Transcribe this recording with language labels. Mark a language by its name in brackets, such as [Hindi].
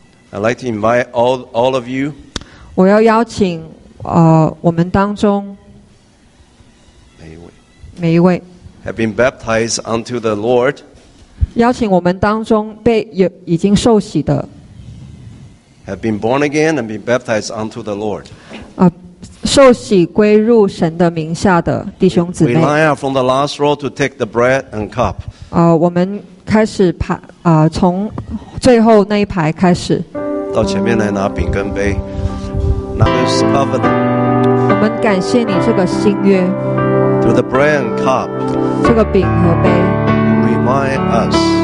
[English] I'd like to invite all of you. [Chinese] 我要邀请。我们当中每一位 [English] have been baptized unto the Lord. [Chinese] 邀请我们当中已经受洗的 [English] have been born again and been baptized unto the Lord. [Chinese] 受洗归入神的名下的弟兄姊妹 [English] we line up from the last row to take the bread and cup. [Chinese] 我们开始从最后那一排开始到前面来拿饼跟杯我们感谢你这个新约 [English] Through the bread and cup [Chinese] 这个饼和杯 [English] Remind us